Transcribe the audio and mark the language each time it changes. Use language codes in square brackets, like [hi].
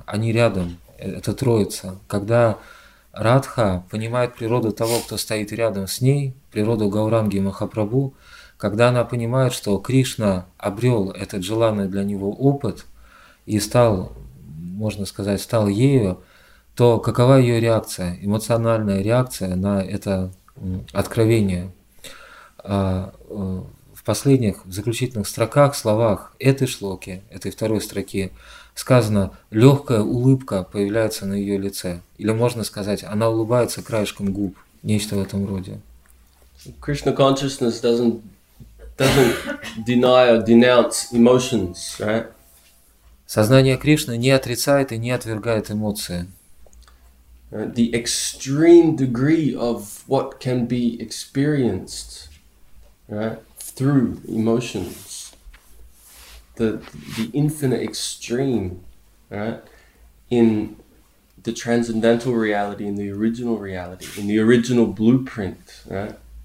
[ru] Они рядом, это троица. Когда Радха понимает природу того, кто стоит рядом с ней, природу Гауранги Махапрабху, когда она понимает, что Кришна обрел этот желанный для него опыт и стал, можно сказать, стал ею, то какова ее реакция, эмоциональная реакция на это откровение? В последних, в заключительных строках, словах этой шлоки, этой второй строки, сказано, легкая улыбка появляется на ее лице. Или можно сказать, она улыбается краешком губ, нечто в этом роде. [en] Krishna consciousness doesn't deny or denounce emotions, right? [ru] Сознание Кришны не отрицает и не отвергает эмоции. [en] The extreme degree of what can be experienced, right, through emotions. The infinite extreme, right, in the transcendental reality, in the original reality, in the original blueprint, right?